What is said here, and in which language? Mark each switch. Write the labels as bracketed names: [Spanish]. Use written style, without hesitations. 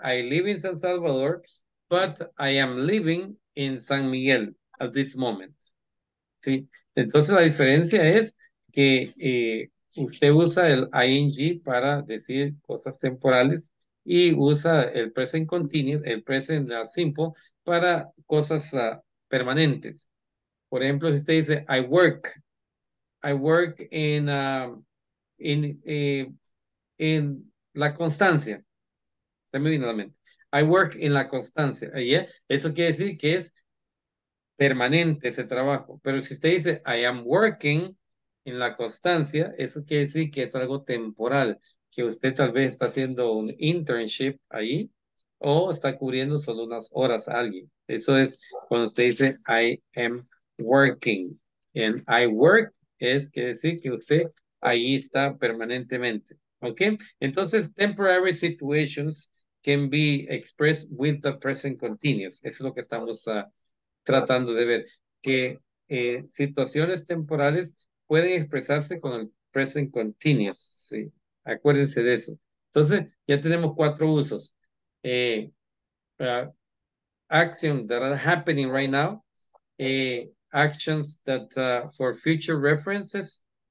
[English] I live in San Salvador, but I am living in San Miguel at this moment. [Spanish] ¿Sí? Entonces la diferencia es que usted usa el ing para decir cosas temporales y usa el present continuous, el present simple, para cosas permanentes. Por ejemplo, si usted dice, I work in La Constancia. Se me vino a la mente. [English] I work in La Constancia. Yeah. [Spanish] Eso quiere decir que es permanente ese trabajo. Pero si usted dice, I am working in La Constancia, eso quiere decir que es algo temporal, que usted tal vez está haciendo un internship ahí o está cubriendo solo unas horas a alguien. Eso es cuando usted dice I am working. And I work es que decir que usted ahí está permanentemente. ¿Ok? [English] Entonces, temporary situations can be expressed with the present continuous. [Spanish] Eso es lo que estamos tratando de ver. Que situaciones temporales pueden expresarse con el present continuous. Sí. Acuérdense de eso. Entonces, ya tenemos cuatro usos. [English] Actions that are happening right now. Actions that for future references.